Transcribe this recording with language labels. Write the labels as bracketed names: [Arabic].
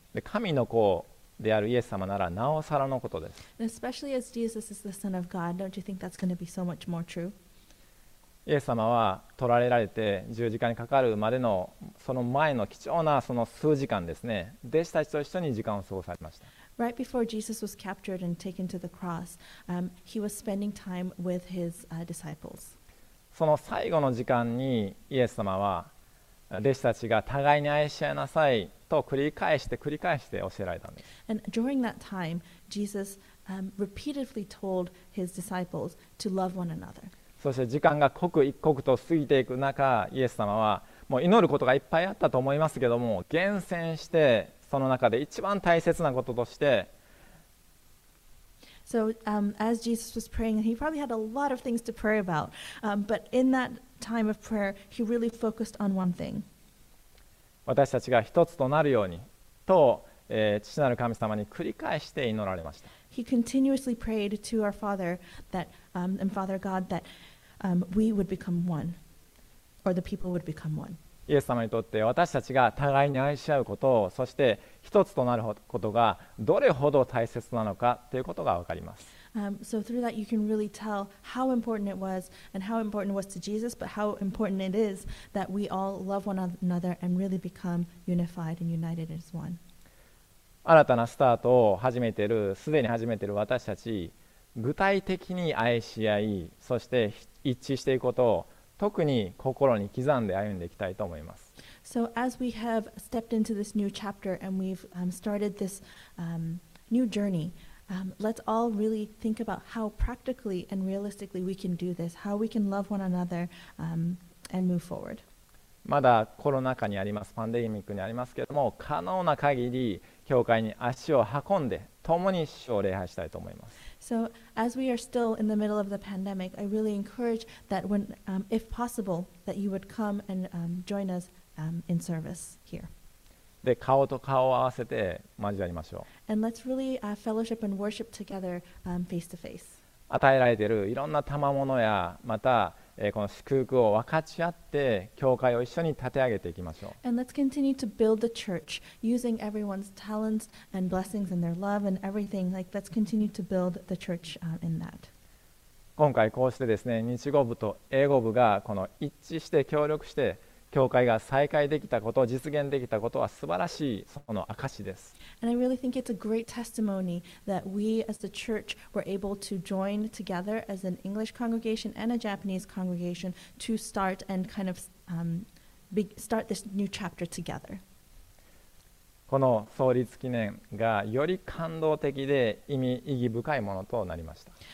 [Japanese] で、神の子であるイエス様ならなおさらのことです。 [English] And especially as Jesus is the Son of God, don't you think that's going to be so much more true? [Japanese] イエス様は捕らえられて十字架にかかるまでのその前の貴重なその数時間ですね、弟子たちと一緒に時間を過ごされました。 [English] Right before Jesus was captured and taken to the cross, he was spending time with his disciples. [Japanese] その最後の時間にイエス様は弟子たちが互いに愛し合いなさいと繰り返して繰り返して教えられたんです。 [English] And during that time, Jesus repeatedly told his disciples to love one another. [Japanese] そして時間が刻一刻と過ぎていく中、イエス様はもう祈ることがいっぱいあったと思いますけども、厳選してその中で一番大切なこととして、 [English] So, as Jesus was praying, he probably had a lot of things to pray about, but in that time of prayer, he really focused on one thing. [Japanese] 私たちが一つとなるようにと、父なる神様に繰り返して祈られました。 [English] He continuously prayed to our Father that, and Father God that, we would become one, or the people would become one. [Japanese] イエス様にとって私たちが互いに愛し合うこと、そして一つとなることがどれほど大切なのかということがわかります。 [English] So through that you can really tell how important it was and how important it was to Jesus, but how important it is that we all love one another and really become unified and united as one. [Japanese] 新たなスタートを始めている、すでに始めている私たち、具体的に愛し合い、そして一致していくことを特に心に刻んで歩んでいきたいと思います。 [English] So as we have stepped into this new chapter and we've started this new journey, let's all really think about how practically and realistically we can do this, how we can love one another and move forward. [Japanese] まだコロナ禍にあります、パンデミックにありますけれども、可能な限り、教会に足を運んで共に主を礼拝したいと思います。 [English] So, as we are still in the middle of the pandemic, I really encourage that when, if possible, that you would come and join us in service here. [Japanese] で、顔と顔を合わせて交わりましょう。 [English] And let's really fellowship and worship together face to face. [Japanese] 与えられているいろんな賜物やまたこの祝福を分かち合って教会を一緒に立て上げていきましょう。 [English] And let's continue to build the church using everyone's talents and blessings and their love and everything. Like, let's continue to build the church in that. [Japanese] 今回こうしてですね、日語部と英語部がこの一致して協力して教会が再開できたこと、実現できたことは素晴らしいその証です。 [English] And I really think it's a great testimony that we as the church were able to join together as an English congregation and a Japanese congregation to start and kind of start this new chapter together. [Japanese] この創立記念がより感動的で意義深いものとなりました。